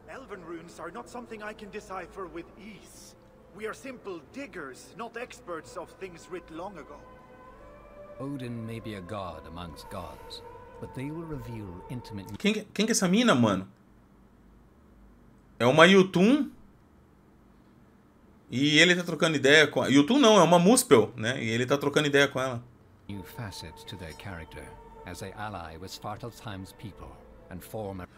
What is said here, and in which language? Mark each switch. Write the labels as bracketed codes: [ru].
[en] Elven runes are not something I can decipher with ease. We are simple diggers, not experts of things writ long ago. Odin may be a god amongst gods, but they will reveal intimate... [pt] Quem que é essa mina, mano? É uma Yutun? E ele tá trocando ideia com... Yutun não, é uma Muspel, né? E ele tá trocando ideia com ela. [en] New facets to their character as they ally with Svartalfheim's people and form a...